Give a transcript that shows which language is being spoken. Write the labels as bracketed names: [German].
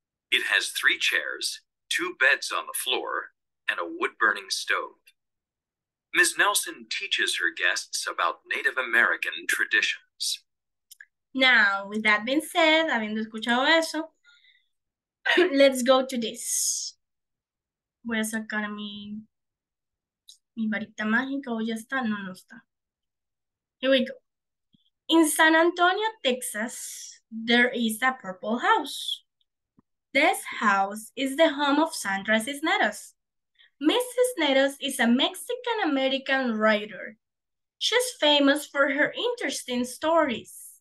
[English] It has three chairs, two beds on the floor, and a wood-burning stove. Ms. Nelson teaches her guests about Native American traditions. Now, with that being said, [Spanish] habiendo escuchado eso, [English] let's go to this. [Spanish] Voy a sacar mi varita mágica, o ya está, no está. [English] Here we go. In San Antonio, Texas, there is a purple house. This house is the home of Sandra Cisneros. Ms. Cisneros is a Mexican-American writer. She's famous for her interesting stories.